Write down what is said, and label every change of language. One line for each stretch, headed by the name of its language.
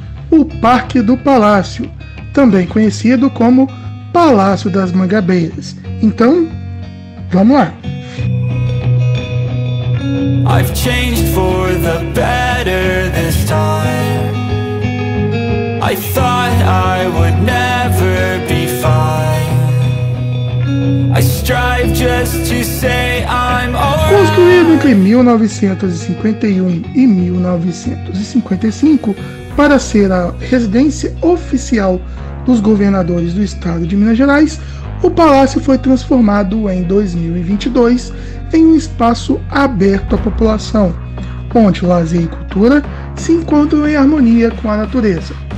Portuguese: O Parque do Palácio, também conhecido como Palácio das Mangabeiras. Então, vamos lá!
English: I've changed for the better this time. I thought I would never be fine. I strive just to say I'm alright.
Portuguese: Construído entre 1951 e 1955 para ser a residência oficial dos governadores do estado de Minas Gerais, o palácio foi transformado em 2022 em um espaço aberto à população, onde lazer e cultura se encontram em harmonia com a natureza.